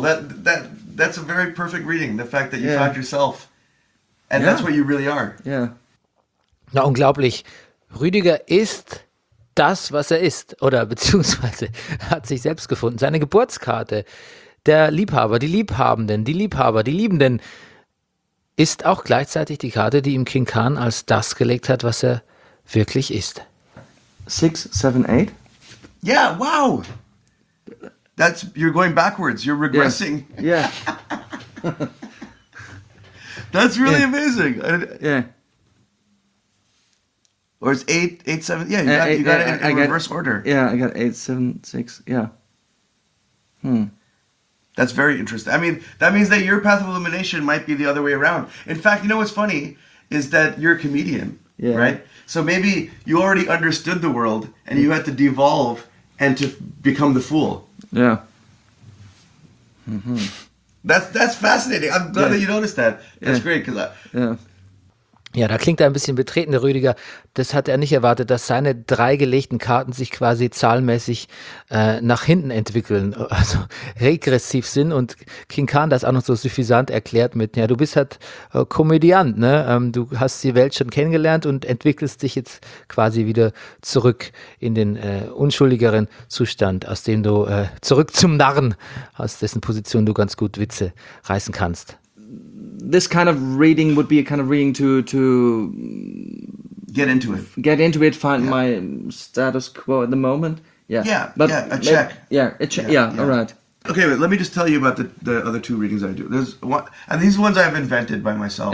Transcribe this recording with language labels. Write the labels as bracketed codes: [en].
[en] That's a very perfect reading, the fact that you found yourself. And that's what you really are. Yeah. [de] Na, unglaublich. Rüdiger ist das, was er ist. Oder beziehungsweise hat sich selbst gefunden. Seine Geburtskarte. Der Liebhaber, die Liebhabenden, die Liebhaber, die Liebenden. Ist auch gleichzeitig die Karte, die ihm King Khan als das gelegt hat, was er wirklich ist. [en] 6, 7, 8? Yeah, wow! That's, you're going backwards, you're regressing. Yeah. Yeah. That's really amazing. Yeah. Or it's 8, 7. Yeah, you got it in reverse order. Yeah, I got 8, 7, 6. Yeah. That's very interesting. I mean, that means that your path of elimination might be the other way around. In fact, you know what's funny is that you're a comedian, right? So maybe you already understood the world and you had to devolve and to become the fool. Yeah. That's fascinating. I'm glad that you noticed that. That's great. [de] Ja, da klingt er ein bisschen betretener, Rüdiger. Das hat er nicht erwartet, dass seine drei gelegten Karten sich quasi zahlenmäßig nach hinten entwickeln, also regressiv sind. Und King Khan das auch noch so suffisant erklärt mit, ja, du bist halt Komödiant, ne? Du hast die Welt schon kennengelernt und entwickelst dich jetzt quasi wieder zurück in den unschuldigeren Zustand, aus dem du zurück zum Narren, aus dessen Position du ganz gut Witze reißen kannst. [en] This kind of reading would be a kind of reading to get into it. Find my status quo at the moment. Check. All right. Okay, but let me just tell you about the other two readings that I do. There's one, and these ones I've invented by myself.